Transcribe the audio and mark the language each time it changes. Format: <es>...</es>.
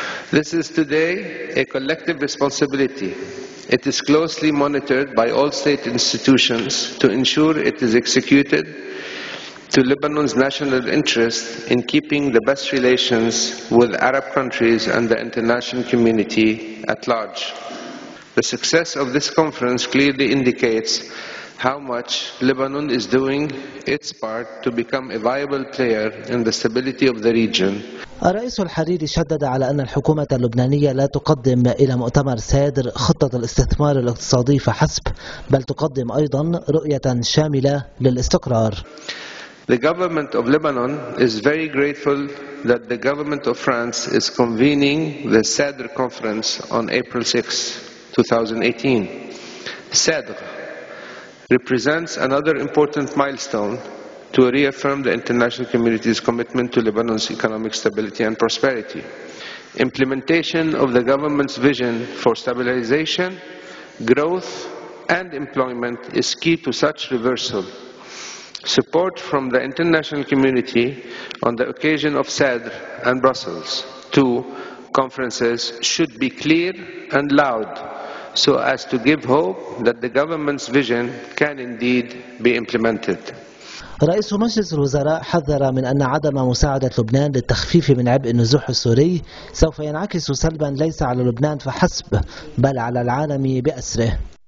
<en>This is today a collective responsibility. It is closely monitored by all state institutions to ensure it is executed to Lebanon's national interest in keeping the best relations with Arab countries and the international community at large. The success of this conference clearly indicates how much Lebanon is doing its part to become a viable player in the stability of the region.</en> <ar>الرئيس الحريري شدد على أن الحكومة اللبنانية لا تقدم إلى مؤتمر سادر خطة الاستثمار الاقتصادي فحسب، بل تقدم أيضا رؤية شاملة للاستقرار.</ar> <en>The government of Lebanon is very grateful that the government of France is convening the SADR conference on April 6, 2018. SADR represents another important milestone to reaffirm the international community's commitment to Lebanon's economic stability and prosperity. Implementation of the government's vision for stabilization, growth, and employment is key to such reversal. Support from the international community on the occasion of SADR and Brussels II conferences should be clear and loud so as to give hope that the government's vision can indeed be implemented.</en> <ar>رئيس مجلس الوزراء حذر من أن عدم مساعدة لبنان للتخفيف من عبء النزوح السوري سوف ينعكس سلبا ليس على لبنان فحسب بل على العالم بأسره.</ar>